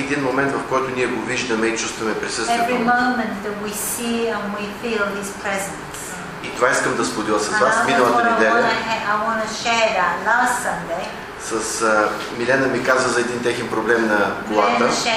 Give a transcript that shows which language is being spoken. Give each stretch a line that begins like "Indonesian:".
Bulgarian: един момент, в който ние го виждаме и чувстваме присъствието.
English: Every moment that we see and we feel His presence.
Bulgarian: И това искам да споделя с вас миналата неделя.
English: I want to share that last Sunday.
Bulgarian: С Милена ми каза за един техен проблем на колата.